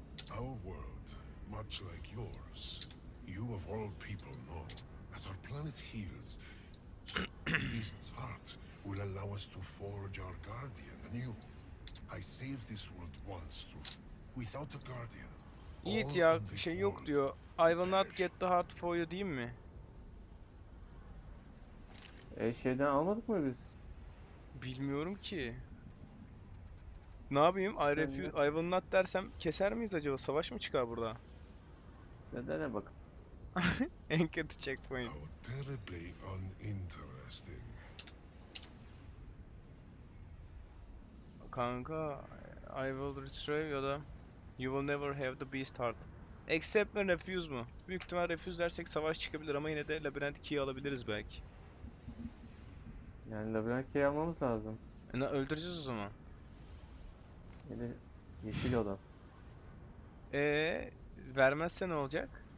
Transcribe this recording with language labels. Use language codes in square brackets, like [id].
[en] Our world, much like yours, you of all people know. As our planet heals, so the beast's heart will allow us to forge our guardian anew. I saved this world once through. Without a guardian, [tr] Yiğit ya, şey yok diyor. [en] I will not get the heart for you, [tr] değil mi? Şeyden almadık mı biz? Bilmiyorum ki. Ne yapayım? [en] I will not [tr] dersem keser miyiz acaba? Savaş mı çıkar burada? Nedene bak. En kötü checkpoint. [en] How terribly uninteresting. Kanka, I will retrieve [tr] ya da [en] you will never have the beast heart. [tr] Accept mi, refuse mu? Büyük ihtimal refuse dersek savaş çıkabilir ama yine de labirent key'i alabiliriz belki. Yani labirent key almamız lazım. Öldüreceğiz o zaman. Yani yeşil oda. Vermezse ne olacak?